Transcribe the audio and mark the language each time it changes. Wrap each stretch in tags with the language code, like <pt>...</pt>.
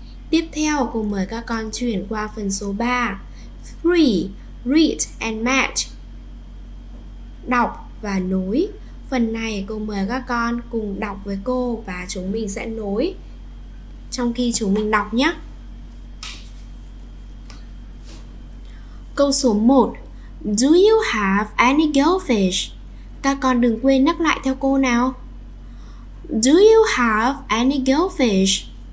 <vi>Tiếp theo, cùng mời các con chuyển qua phần số 3. 3.</vi> <en>Read and match.</en> <vi>Đọc và nối. Phần này cô mời các con cùng đọc với cô và chúng mình sẽ nối trong khi chúng mình đọc nhé. Câu số 1.</vi> <en>Do you have any goldfish?</en> <vi>Các con đừng quên nhắc lại theo cô nào.</vi> <en>Do you have any goldfish?</en>